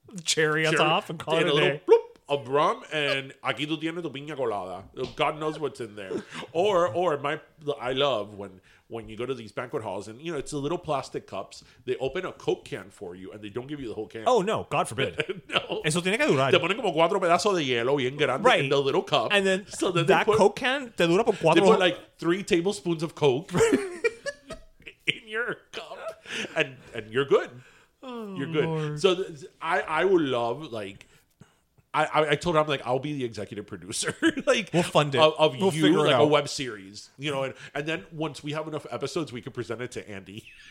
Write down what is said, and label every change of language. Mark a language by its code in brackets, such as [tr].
[en] cherry on top and call it a little bloop of rum, and [es] aquí tú tienes tu pina colada. [en] God knows what's in there. I love when you go to these banquet halls, and you know, it's the little plastic cups. They open a Coke can for you and they don't give you the whole can. Oh no, God forbid. No. [es] Eso tiene que durar. Te ponen como cuatro pedazos de hielo bien grande [en] in the little cup. And then, Coke can [es] te dura por cuatro. [en] They put like 3 tablespoons of Coke in your cup, and you're good. Oh, you're good. Lord. So I would love, like, I told her, I'm like, I'll be the executive producer. Like, we'll fund it. We'll figure it out. A web series. You know, and then once we have enough episodes, we can present it to Andy.